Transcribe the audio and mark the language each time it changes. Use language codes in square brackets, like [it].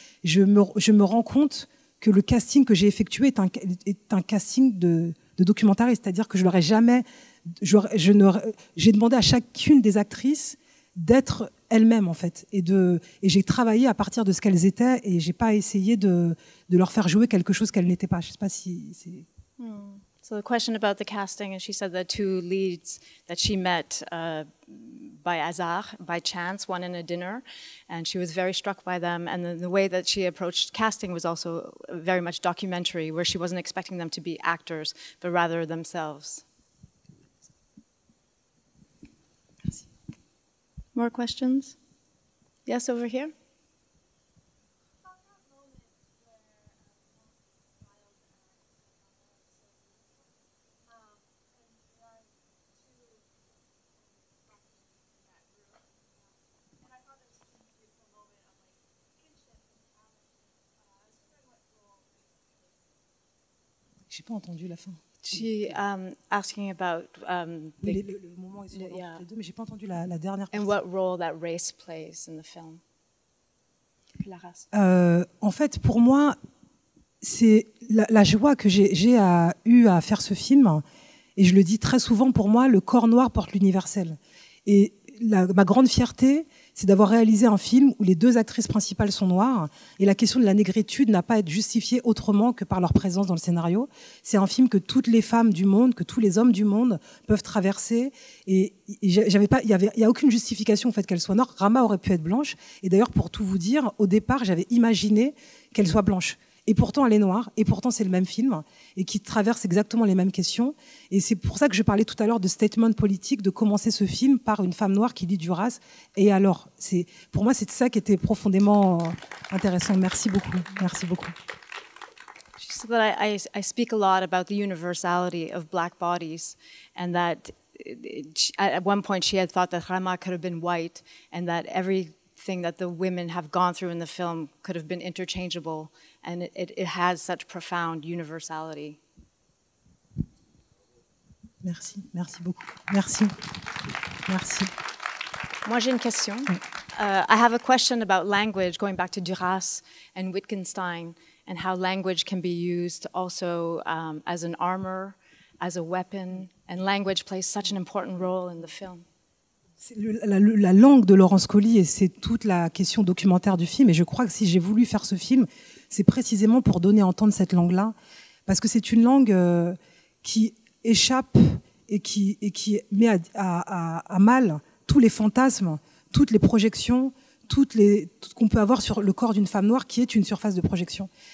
[fr] Je me rends compte que le casting que j'ai effectué est un casting de documentariste, c'est-à-dire que j'ai demandé à chacune des actrices d'être elle-même, en fait, et j'ai travaillé à partir de ce qu'elles étaient, et j'ai pas essayé de leur faire jouer quelque chose qu'elles n'étaient pas. Je sais pas si c'est... [en] So the question about the casting, and she said the two leads that she met by hazard, by chance, one in a dinner, and she was very struck by them, and then the way that she approached casting was also very much documentary, where she wasn't expecting them to be actors, but rather themselves. More questions? Yes, over here. [fr] J'ai pas entendu la fin. [en] Asking about And what role that race plays in the film? [fr] La race. En fait, pour moi, c'est la joie que j'ai eu à faire ce film, et je le dis très souvent, pour moi, le corps noir porte l'universel. Et ma grande fierté, c'est d'avoir réalisé un film où les deux actrices principales sont noires, et la question de la négritude n'a pas à être justifiée autrement que par leur présence dans le scénario. C'est un film que toutes les femmes du monde, que tous les hommes du monde peuvent traverser, et il n'y a aucune justification au fait qu'elle soit noire. Rama aurait pu être blanche, et d'ailleurs, pour tout vous dire, au départ, j'avais imaginé qu'elle soit blanche. Et pourtant, elle est noire, et pourtant, c'est le même film, et qui traverse exactement les mêmes questions. Et c'est pour ça que je parlais tout à l'heure de statement politique, de commencer ce film par une femme noire qui lit Duras. Et alors, pour moi, c'est ça qui était profondément intéressant. Merci beaucoup. Merci beaucoup. [en] She said that I speak a lot about the universality of black bodies, and that at one point she had thought that Rama could have been white, and that everything that the women have gone through in the film could have been interchangeable. And it has such profound universality. [fr] Merci, merci beaucoup. Merci, merci. Moi, j'ai une question. [en] I have a question about language, going back to Duras and Wittgenstein, and how language can be used also as an armor, as a weapon, and language plays such an important role in the film. [fr] La langue de Laurence Colli, et c'est toute la question documentaire du film, et je crois que si j'ai voulu faire ce film, c'est précisément pour donner à entendre cette langue-là, parce que c'est une langue qui échappe et qui met à mal tous les fantasmes, toutes les projections, tout qu'on peut avoir sur le corps d'une femme noire qui est une surface de projection.